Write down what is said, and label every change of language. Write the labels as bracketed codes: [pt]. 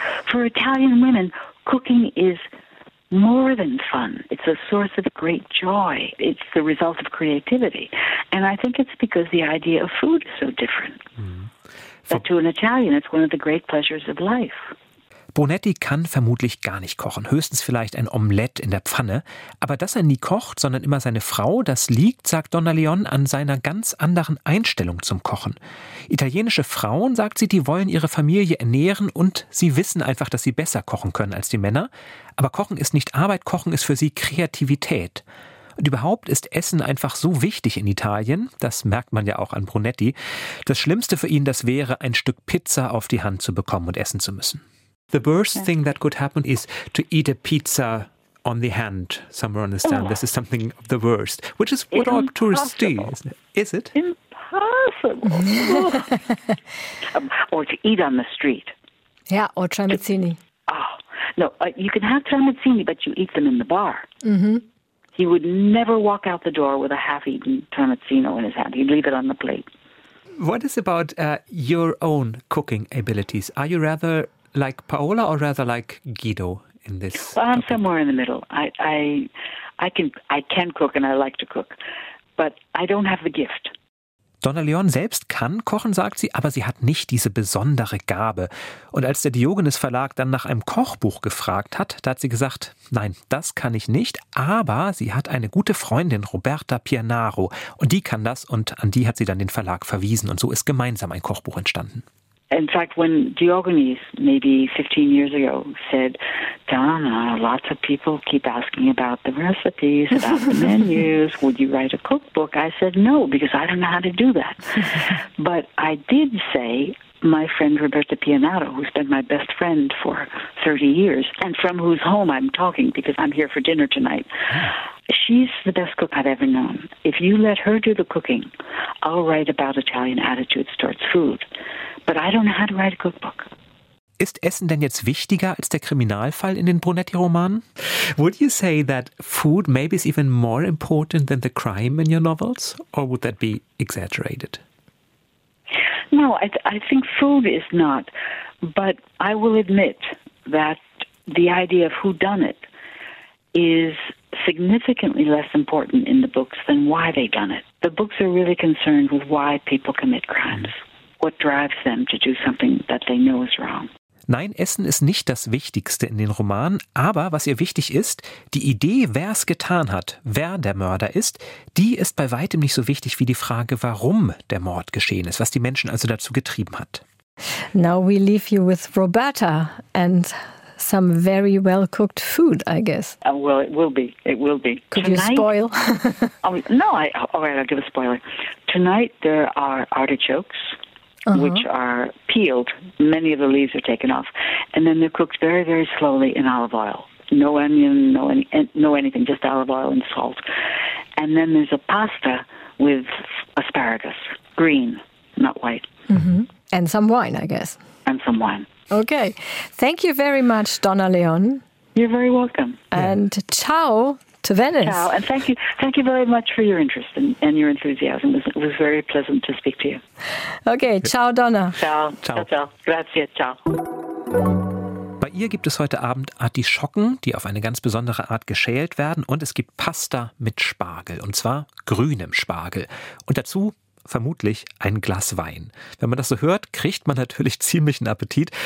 [en] For Italian women, cooking is more than fun. It's a source of great joy. It's the result of creativity. And I think it's because the idea of food is so different. But to an Italian, it's one of the great pleasures of life. [de] Brunetti kann vermutlich gar nicht kochen, höchstens vielleicht ein Omelett in der Pfanne. Aber dass er nie kocht, sondern immer seine Frau, das liegt, sagt Donna Leon, an seiner ganz anderen Einstellung zum Kochen. Italienische Frauen, sagt sie, die wollen ihre Familie ernähren und sie wissen einfach, dass sie besser kochen können als die Männer. Aber Kochen ist nicht Arbeit, Kochen ist für sie Kreativität. Und überhaupt ist Essen einfach so wichtig in Italien, das merkt man ja auch an Brunetti. Das Schlimmste für ihn, das wäre, ein Stück Pizza auf die Hand zu bekommen und essen zu müssen. [en] The worst thing that could happen is to eat a pizza on the hand. Somewhere on the stand. This is something of the worst. Which is what all tourists do, isn't it? Is it? Impossible. Or to eat on the street. Yeah, or tramezzini. You can have tramezzini, but you eat them in the bar. Mm-hmm. He would never walk out the door with a half-eaten tramezzino in his hand. He'd leave it on the plate. What is about your own cooking abilities? Are you rather like Paola or rather like Guido in this? Well, I'm somewhere in the middle. I can cook and I like to cook, but I don't have the gift. [de] Donna Leon selbst kann kochen, sagt sie, aber sie hat nicht diese besondere Gabe. Und als der Diogenes Verlag dann nach einem Kochbuch gefragt hat, da hat sie gesagt, nein, das kann ich nicht, aber sie hat eine gute Freundin, Roberta Pianaro, und die kann das und an die hat sie dann den Verlag verwiesen und so ist gemeinsam ein Kochbuch entstanden. [en] In fact, when Diogenes, maybe 15 years ago, said, Donna, lots of people keep asking about the recipes, about the menus, would you write a cookbook? I said, no, because I don't know how to do that. But I did say, my friend Roberta Pianaro, who's been my best friend for 30 years, and from whose home I'm talking because I'm here for dinner tonight, she's the best cook I've ever known. If you let her do the cooking, I'll write about Italian attitudes towards food. But I don't know how to write a cookbook. [de] Ist Essen denn jetzt wichtiger als der Kriminalfall in den Brunetti-Romanen? [en] Would you say that food maybe is even more important than the crime in your novels? Or would that be exaggerated? No, I think food is not. But I will admit that the idea of whodunit is significantly less important in the books than why they done it. The books are really concerned with why people commit crimes. Mm. What drives them to do something that they know is wrong. [de] Nein, Essen ist nicht das Wichtigste in den Romanen, aber was ihr wichtig ist, die Idee, wer es getan hat, wer der Mörder ist, die ist bei weitem nicht so wichtig wie die Frage, warum der Mord geschehen ist, was die Menschen also dazu getrieben hat. [en] Now we leave you with Roberta and some very well-cooked food, I guess. Well, it will be. It will be. Could tonight, you spoil? I'll give a spoiler. Tonight there are artichokes. which are peeled. Many of the leaves are taken off. And then they're cooked very, very slowly in olive oil. No onion, no anything, just olive oil and salt. And then there's a pasta with asparagus, green, not white. Mm-hmm. And some wine, I guess. And some wine. Okay. Thank you very much, Donna Leon. You're very welcome. And ciao to Venice. Ciao. And thank you. Thank you very much for your interest and your enthusiasm. It was very pleasant to speak to you. Okay. Ciao, Donna. [it] Ciao. Ciao. Ciao. Grazie. Ciao. [de] Bei ihr gibt es heute Abend Artischocken, die auf eine ganz besondere Art geschält werden. Und es gibt Pasta mit Spargel, und zwar grünem Spargel. Und dazu vermutlich ein Glas Wein. Wenn man das so hört, kriegt man natürlich ziemlichen Appetit.